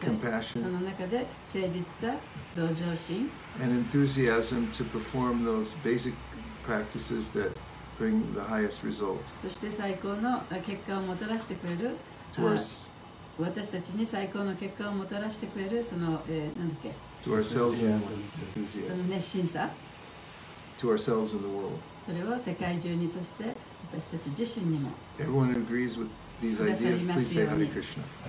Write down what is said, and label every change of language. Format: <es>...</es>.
<en>compassion, and enthusiasm to perform those basic practices thatbring the highest result.</en> <ja>そして最高の結果をもたらしてくれる。私たちに最高の結果をもたらしてくれるその、なんだっけ。</ja> <en>To ourselves and the world.</en> <ja>その熱心さ。</ja> <en>To ourselves and the world.</en> <ja>それを世界中にそして私たち自身にも。</ja> <en>Everyone who agrees with these ideas, please say Hare Krishna.</en>